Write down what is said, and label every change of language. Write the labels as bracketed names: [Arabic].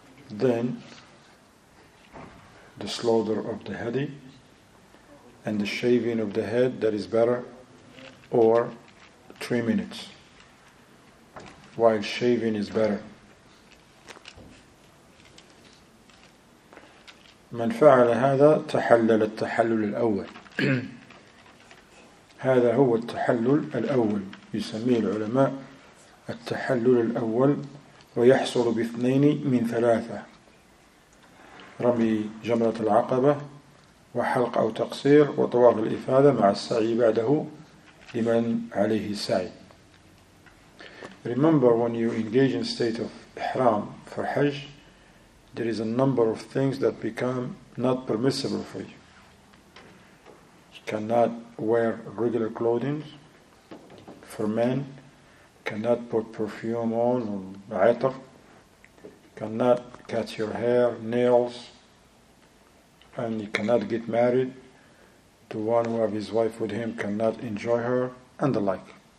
[English] Then, the slaughter of the hadi and the shaving of the head, that is better, or 3 minutes. While shaving is better. [Arabic] من فعل هذا تحلل التحلل الأول. هذا هو التحلل الأول. يسميه العلماء التحلل الأول ويحصل باثنين من 3. رمي جمرة العقبة وحلق أو تقصير وطواف الإفاضة مع السعي بعده لمن عليه السعي. [English] Remember when you engage in state of ihram for Hajj, there is a number of things that become not permissible for you. You cannot wear regular clothing for men, cannot put perfume on or عطر, cannot cut your hair, nails, and he cannot get married to one who have his wife with him, cannot enjoy her, and the like.